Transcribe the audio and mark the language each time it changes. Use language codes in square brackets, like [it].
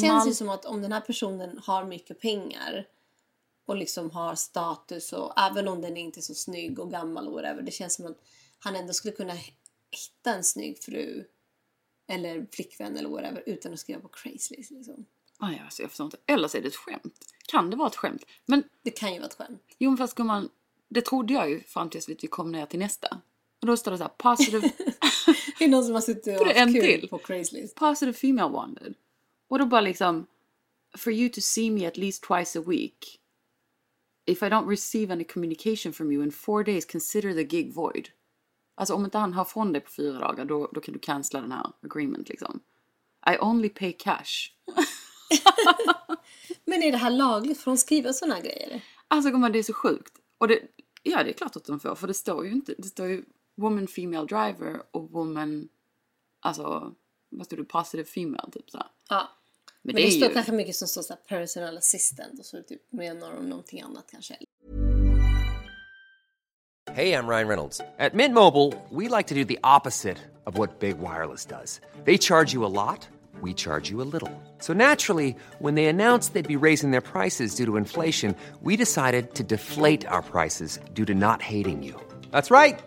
[sv] Det känns ju som att om den här personen har mycket pengar och liksom har status, och även om den inte är så snygg och gammal och whatever, det känns som att han ändå skulle kunna hitta en snygg fru eller flickvän eller whatever utan att skriva på Craigslist liksom. Ah, ja, så jag förstår inte. Eller så är det ett skämt. Kan det vara ett skämt? Men det kan ju vara ett skämt. Jo, men fast man, det trodde jag ju fram tills vi kom ner till nästa. Och då står det så här, positive... Det är någon som har suttit och haft kul på Craigslist. [en] Positive female wanted. [sv] Och då bara liksom, [en] for you to see me at least twice a week, if I don't receive any communication from you in 4 days, consider the gig void. [sv] Alltså om inte han har från dig på 4 dagar, då kan du cancella den här agreement liksom. [en] I only pay cash. [sv] Men är det här lagligt? För de skriver sådana grejer. Alltså gumman, det är så sjukt. Och det, ja, det är klart att de får, för det står ju inte, det står ju [en] woman female driver [sv] och woman, alltså vad står det, [en] positive female [sv] typ såhär. Ja. Men det står ju kanske mycket som står såhär [en] personal assistant, [sv] och så typ menar de någonting annat kanske. [en] Hey, I'm Ryan Reynolds. At Mint Mobile, we like to do the opposite of what Big Wireless does. They charge you a lot, we charge you a little. So naturally, when they announced they'd be raising their prices due to inflation, we decided to deflate our prices due to not hating you. That's right.